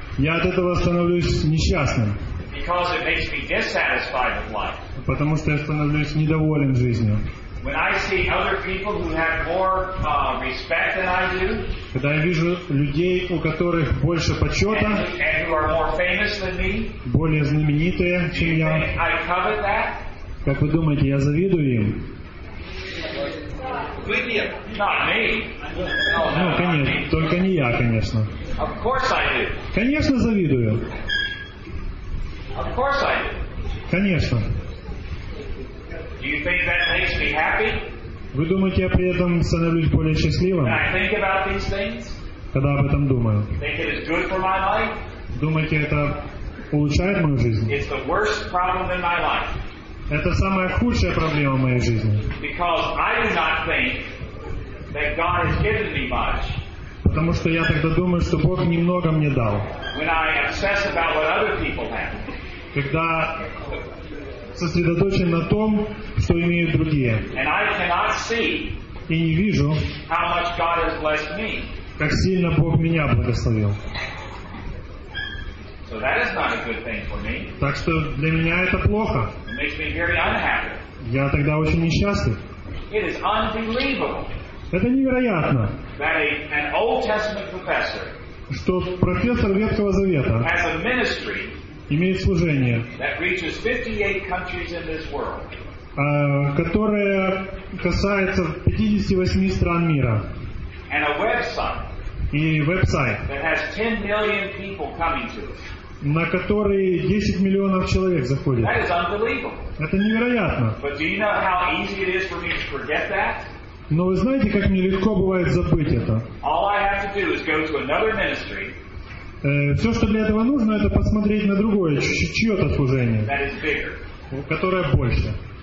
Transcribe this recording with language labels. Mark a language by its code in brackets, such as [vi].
[ru] Я от этого становлюсь несчастным. [en] Because it makes me dissatisfied with life. [ru] Потому что я становлюсь недоволен жизнью. [en] When I see other people who have more respect than I do, [ru] когда я вижу людей, у которых больше почета, [en] and who are more famous than me, [ru] более знаменитые, чем я, [en] I covet that? [ru] Как вы думаете, я завидую им? [en] Not me. [ru] Ну, конечно, только не я, конечно. [en] Of course I do. [ru] Конечно, завидую. [en] Of course I do. [ru] Конечно. [en] Do you think that makes me happy? [ru] Вы думаете, я при этом становлюсь более счастливым? [en] When I think about these things? [ru] Когда об этом думаю? [en] Think it is good for my life? [ru] Думаете, это улучшает мою жизнь? [en] It's the worst problem in my life. [ru] Это самая худшая проблема в моей жизни. [en] Because I do not think that God has given me much. [ru] Потому что я тогда думаю, что Бог немного мне дал. [en] When I obsess about what other people have. [ru] Когда сосредоточен на том, что имеют другие. [en] And I cannot see, [ru] и не вижу, [en] how much God has blessed me. [ru] Как сильно Бог меня благословил. [en] So that is not a good thing for me. [ru] Так что для меня это плохо. [en] It makes me very unhappy. [ru] Я тогда очень несчастлив. [en] It is unbelievable. [ru] Это невероятно, [en] that an Old Testament professor, [ru] что профессор Ветхого Завета [en] has a ministry, [ru] имеет служение, [en] that reaches 58 countries in this world, [ru] которое касается 58 стран мира, [en] and a website, [ru] и веб-сайт, [en] that has 10 million people coming to it, [ru] на который 10 миллионов человек заходит. [en] That is unbelievable. [ru] Это невероятно. [en] But do you know how easy it is for me to forget that? [ru] Но вы знаете, как мне легко бывает забыть это? [en] All I have to do is go to another ministry. [ru] Все, что для этого нужно, это посмотреть на другое, чье-то служение, которое больше.